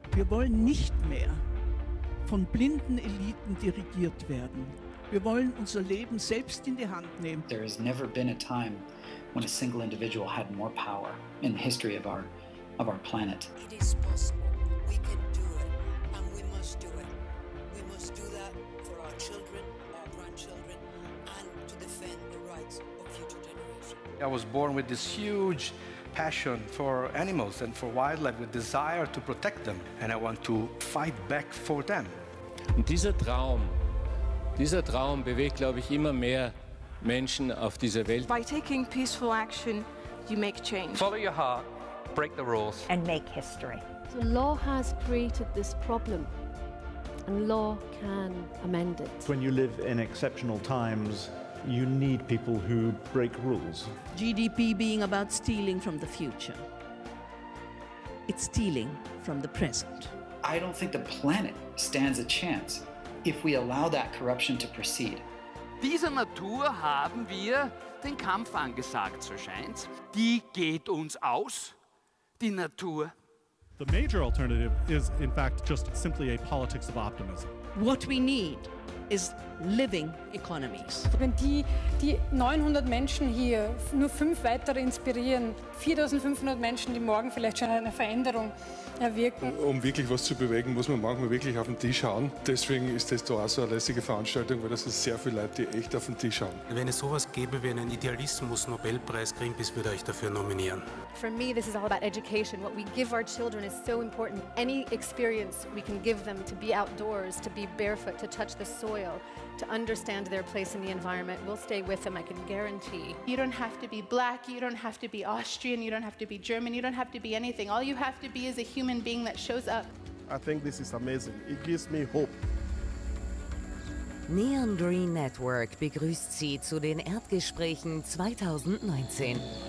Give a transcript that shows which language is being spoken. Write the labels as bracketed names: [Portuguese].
[German] Wir wollen nicht mehr von blinden Eliten dirigiert werden. Wir wollen unser Leben selbst in die Hand nehmen. [English] There has never been a time when a single individual had more power in the history of our planet. It is possible. We can do it. And we must do it. We must do that for our children, our grandchildren, and to defend the rights of future generations. I was born with this huge passion for animals and for wildlife, with desire to protect them. And I want to fight back for them. [German] Und dieser Traum bewegt, glaube ich, immer mehr Menschen auf dieser Welt. [English] By taking peaceful action, you make change. Follow your heart, break the rules. And make history. The law has created this problem, and law can amend it. When you live in exceptional times, you need people who break rules. GDP being about stealing from the future. It's stealing from the present. I don't think the planet stands a chance if we allow that corruption to proceed. [German] Dieser Natur haben wir den Kampf angesagt, so scheint's. Die geht uns aus, die Natur. [English] The major alternative is, in fact, just simply a politics of optimism. What we need is living economies. [German] Wenn die 900 Menschen hier nur 5 weitere inspirieren, 4500 Menschen, die morgen vielleicht schon eine Veränderung erwirken. Um wirklich was zu bewegen, muss man manchmal wirklich auf den Tisch hauen. Deswegen ist das da auch so eine lässige Veranstaltung, weil das sind sehr viele Leute, die echt auf den Tisch hauen. Wenn es sowas gäbe wie einen Idealismus-Nobelpreis, Greenpeace würde euch dafür nominieren. [English] For me, this is all about education. What we give our children is so important. Any experience we can give them to be outdoors, to be barefoot, to touch the soil, to understand their place in the environment, will stay with them, I can guarantee. You don't have to be black, you don't have to be Austrian, you don't have to be German, you don't have to be anything. All you have to be is a human being that shows up. I think this is amazing. It gives me hope. [German] Neon Green Network begrüßt Sie zu den Erdgesprächen 2019.